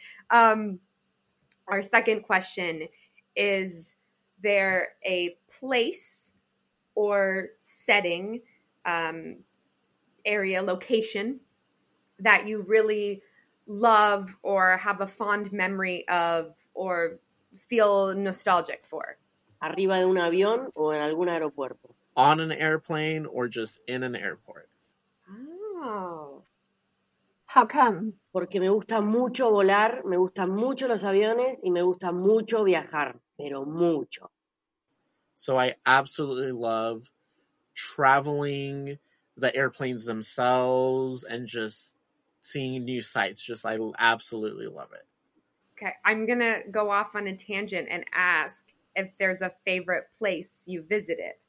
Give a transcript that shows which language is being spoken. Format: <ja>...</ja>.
<en>Our second question, is there a place or setting, area, location that you really love or have a fond memory of or feel nostalgic for?</en> <es>Arriba de un avión o en algún aeropuerto.</es> <en>On an airplane or just in an airport. Oh. How come?</en> <es>Porque me gusta mucho volar, me gustan mucho los aviones y me gusta mucho viajar, pero mucho.</es> <en>So I absolutely love traveling, the airplanes themselves, and just seeing new sights. Just I absolutely love it. Okay, I'm going to go off on a tangent and ask if there's a favorite place you visited.</en>